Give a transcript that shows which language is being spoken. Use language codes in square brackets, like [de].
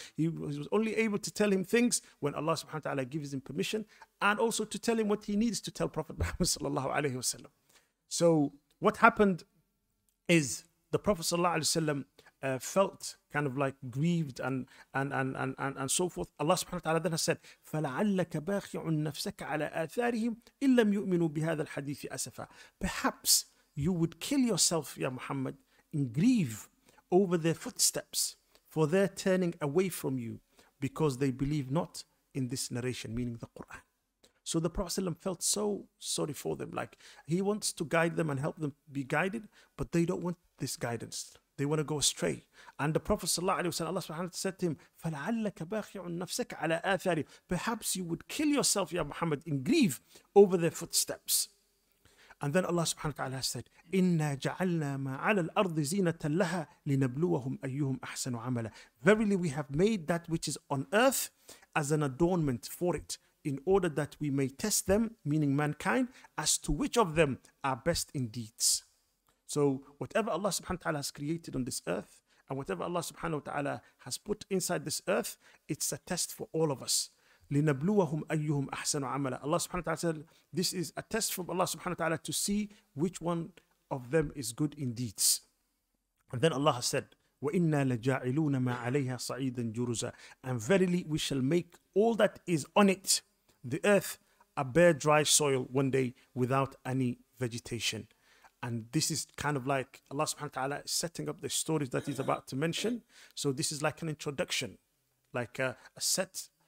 [en] He was only able to tell him things when Allah subhanahu wa ta'ala gives him permission, and also to tell him what he needs to tell Prophet Muhammad sallallahu alayhi wa sallam. So what happened is the Prophet sallallahu alayhi wa sallam felt kind of like grieved and so forth. Allah subhanahu wa ta'ala then has said, [ar] فَلَعَلَّكَ بَاخِعُ النَّفْسَكَ عَلَىٰ آثَارِهِمْ إِلَّمْ يُؤْمِنُوا بِهَذَا الْحَدِيثِ أَسَفًا. [en] Perhaps you would kill yourself, Ya Muhammad, in grief over their footsteps, for their turning away from you because they believe not in this narration, meaning the Quran. So the Prophet ﷺ felt so sorry for them. Like, he wants to guide them and help them be guided, but they don't want this guidance. They want to go astray. And the Prophet ﷺ, Allah subhanahu wa ta'ala said to him, [ar] فَلَعَلَّكَ بَاخِعُ النَّفْسَكَ عَلَىٰ آثَارِهِ. [en] Perhaps you would kill yourself, Ya Muhammad, in grief over their footsteps. And then Allah subhanahu wa ta'ala said, [ar] إِنَّا جَعَلْنَا مَا عَلَى الْأَرْضِ زِينَةً لَهَا لِنَبْلُوَهُمْ أَيُّهُمْ أَحْسَنُ عَمَلًا. [en] Verily, we have made that which is on earth as an adornment for it, in order that we may test them, meaning mankind, as to which of them are best in deeds. So whatever Allah subhanahu wa ta'ala has created on this earth, and whatever Allah subhanahu wa ta'ala has put inside this earth, it's a test for all of us. [ar] لِنَبْلُوَهُمْ أَيُّهُمْ أَحْسَنُ عَمَلًا. [en] Allah subhanahu wa ta'ala said, this is a test from Allah subhanahu wa ta'ala to see which one of them is good in deeds. And then Allah has said, [ar] وَإِنَّا لَجَاعِلُونَ مَا عَلَيْهَا صَعِيدًا جُرُزًا. [en] And verily, we shall make all that is on it, the earth, a bare dry soil one day without any vegetation. And this is kind of like Allah subhanahu wa ta'ala is setting up the stories that he's about to mention. So this is like an introduction, like a set.